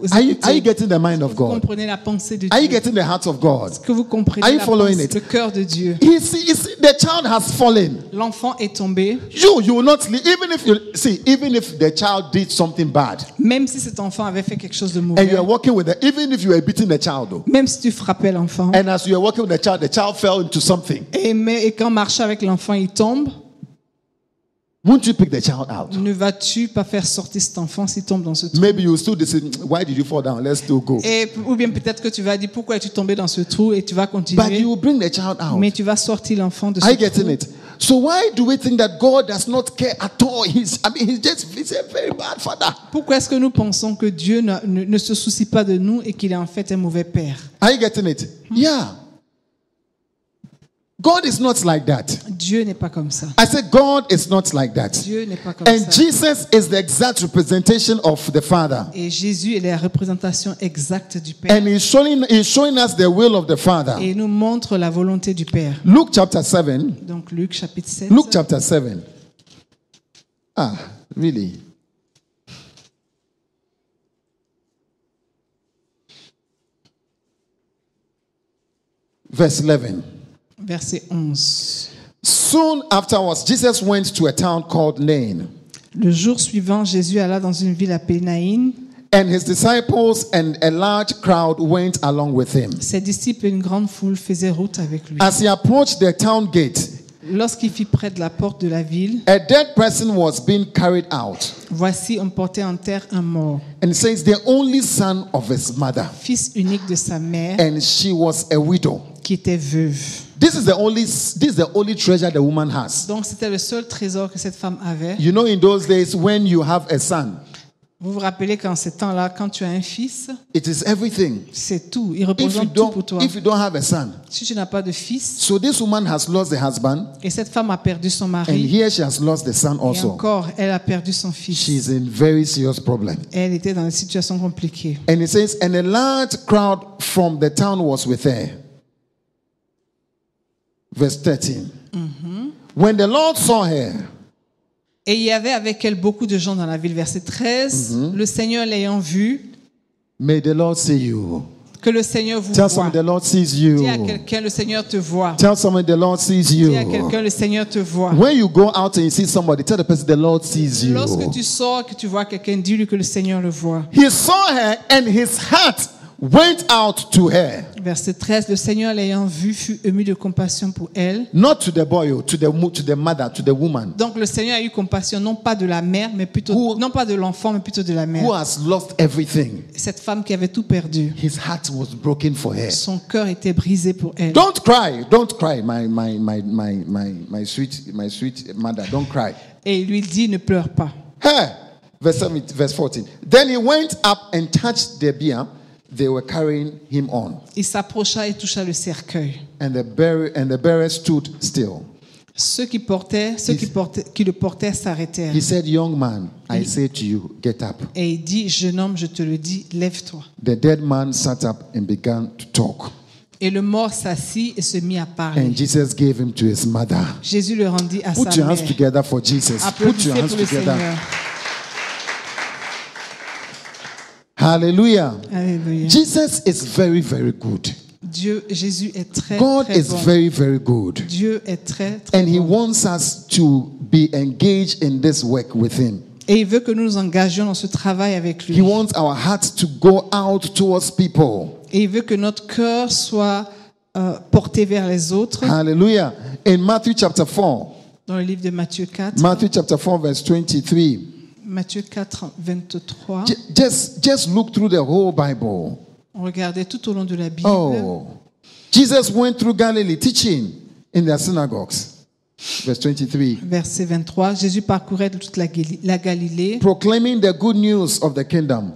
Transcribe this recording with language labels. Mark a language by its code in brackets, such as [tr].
[en] are you getting the mind of God? [fr] Comprenez la pensée de Dieu? [en] Are you getting the heart of God? [fr] Est-ce que vous comprenez la pensée, le cœur de Dieu? [en] The child has fallen. [fr] L'enfant est tombé. [en] You will not leave, even if the child did something bad. [fr] Même si cet enfant avait fait quelque chose de mauvais. [en] And you are walking with it, even if you are beating the child. [fr] Même si tu frappais l'enfant. [en] And as you are walking with the child fell into something. [fr] Et quand marche avec l'enfant, il tombe. [en] Won't you pick the child out? [fr] Ne vas-tu pas faire sortir cet enfant s'il tombe dans ce trou? [en] Maybe you still decide, why did you fall down? Let's still go. [fr] Et ou bien peut-être que tu vas dire pourquoi es-tu tombé dans ce trou et tu vas continuer. [en] But you will bring the child out. [fr] Mais tu vas sortir l'enfant de ce trou. [en] I get [fr] trou. [en] It. So why do we think that God does not care at all? He's a very bad father. [fr] Pourquoi est-ce que nous pensons que Dieu ne se soucie pas de nous et qu'il est en fait un mauvais père? [en] Are you getting it? Yeah. God is not like that. [fr] Dieu n'est pas comme ça. [en] I said God is not like that. [fr] Dieu n'est pas comme [en] and [fr] ça. [en] And Jesus is the exact representation of the Father. [fr] Et Jésus est la représentation exacte du Père. [en] And he's showing us the will of the Father. [fr] Et nous montre la volonté du Père. [en] Luke chapter 7. [fr] Donc Luc chapitre 7. [en] Luke chapter 7. Ah, really? Verse 11. [fr] Verset 11. [en] Soon afterwards, Jesus went to a town called Nain. [fr] Le jour suivant, Jésus alla dans une ville appelée Nain. [en] And his disciples and a large crowd went along with him. [fr] Ses disciples et une grande foule faisaient route avec lui. [en] As he approached the town gate, [fr] lorsqu'il fit près de la porte de la ville, [en] a dead person was being carried out. [fr] Voici, on portait en terre un mort. [en] And it says the only son of his mother. [fr] Fils unique de sa mère. [en] And she was a widow. [fr] Qui était veuve. [en] This is the only treasure the woman has. [fr] Donc c'était le seul trésor que cette femme avait. You know, in those days, when you have a son, vous vous rappelez qu'en ces temps-là, quand tu as un fils, it is everything. C'est tout. Il représente tout pour toi. [en] If you don't have a son, [fr] si tu n'as pas de fils, [en] so this woman has lost the husband. [fr] Et cette femme a perdu son mari. [en] And here she has lost the son also. [fr] Et encore, elle a perdu son fils. [en] She is in very serious problem. [fr] Elle était dans une situation compliquée. [en] And it says, and a large crowd from the town was with her. Verse 13. Mm-hmm. When the Lord saw her, [fr] et il y avait avec elle beaucoup de gens dans la ville. Verset 13, le Seigneur l'ayant vue, [en] may the Lord see you. [fr] Que le Seigneur vous [en] tell [fr] voit. [en] Someone the Lord sees you. [fr] Dis à quelqu'un, le Seigneur te voit. [en] Tell someone the Lord sees you. [fr] Dis à quelqu'un, le Seigneur te voit. [en] When you go out and you see somebody, tell the person the Lord sees you. [fr] Lorsque tu sors et que tu vois quelqu'un, dis-lui que le Seigneur le voit. [en] He saw her and his heart went out to her. [fr] Verset 13, le Seigneur l'ayant vue fut ému de compassion pour elle. [en] Not to the boy, to the mother, to the woman. [fr] Donc le Seigneur a eu compassion non pas de la mère mais plutôt [en] who, [fr] non pas de l'enfant mais plutôt de la mère. [en] Who has lost everything. [fr] Cette femme qui avait tout perdu. [en] His heart was broken for her. [fr] Son cœur était brisé pour elle. [en] Don't cry, my sweet mother, don't cry. [fr] Et il lui dit ne pleure pas. [en] Hey, verse 14. Then he went up and touched the bier. They were carrying him on. [fr] Il s'approcha et toucha le cercueil. [en] And the bearer stood still. [fr] Ceux qui le portaient s'arrêtèrent. [en] He said, "Young man, I say to you, get up." [fr] Et il dit, jeune homme, je te le dis, lève-toi. [en] The dead man sat up and began to talk. [fr] Et le mort s'assit et se mit à parler. [en] And Jesus gave him to his mother. [fr] Jésus le rendit à sa mère. [en] Put your hands together for Jesus. Put your hands together. Hallelujah. Hallelujah. Jesus is very, very good. [fr] Dieu, Jésus est très, [en] God [fr] très [en] is [fr] bon. [en] Very, very good. [fr] Dieu est très, très [en] and [fr] bon. [en] He wants us to be engaged in this work with him. [fr] Et il veut que nous nous engagions dans ce travail avec lui. [en] He wants our hearts to go out towards people. [fr] Et il veut que notre cœur soit porté vers les autres. [en] Hallelujah. In Matthew chapter 4. [fr] Dans le livre de Matthieu 4. [en] Matthew chapter 4 verse 23. [fr] Matthieu 4, 23. [en] Just look through the whole Bible. [fr] Regardez tout au long de la Bible. [en] Oh, Jesus went through Galilee teaching in their synagogues. [fr] Verset 23. Jésus parcourait toute la Galilée. [en] Proclaiming the good news of the kingdom.